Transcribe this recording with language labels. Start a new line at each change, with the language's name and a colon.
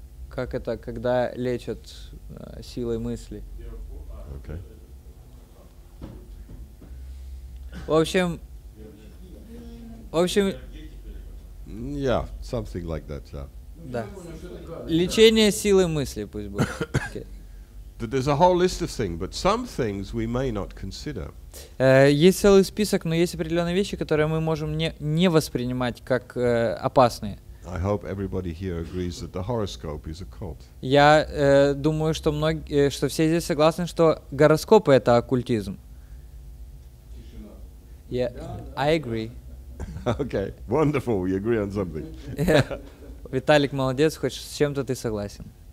Russian: Как это, когда лечат силой мысли?
English: Okay.
Russian: В общем.
English: Yeah, something like that. Yeah.
Russian: Да. Лечение силы мысли, пусть будет.
English: Okay. There's a whole list of things, but some things we may not consider.
Russian: Есть целый список, но есть определенные вещи, которые мы можем не воспринимать как опасные.
English: I hope everybody here agrees that the horoscope is a cult.
Russian: Я думаю, что многие, что все здесь согласны, что гороскопы это оккультизм.
English: Yeah, I agree. Okay, wonderful. We agree on something.
Russian: Виталик, молодец, хоть с чем-то ты согласен.